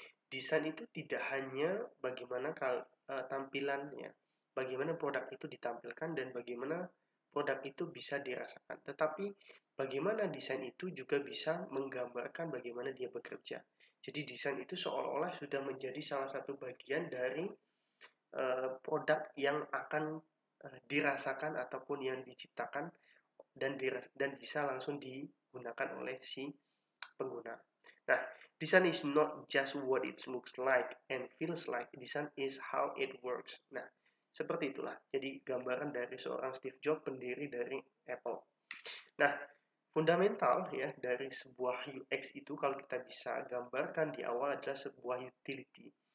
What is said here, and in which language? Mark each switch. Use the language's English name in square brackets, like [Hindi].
[Indonesian] Design itu tidak hanya bagaimana tampilannya, bagaimana produk itu ditampilkan dan bagaimana produk itu bisa dirasakan, tetapi bagaimana desain itu juga bisa menggambarkan bagaimana dia bekerja. Jadi desain itu seolah-olah sudah menjadi salah satu bagian dari produk yang akan dirasakan ataupun yang diciptakan dan bisa langsung digunakan oleh si pengguna. [English] Nah, design is not just what it looks like and feels like. Design is how it works. [Indonesian] Nah, seperti itulah. Jadi gambaran dari seorang Steve Jobs, pendiri dari Apple. Nah, fundamental ya dari sebuah UX itu kalau kita bisa gambarkan di awal adalah sebuah utility.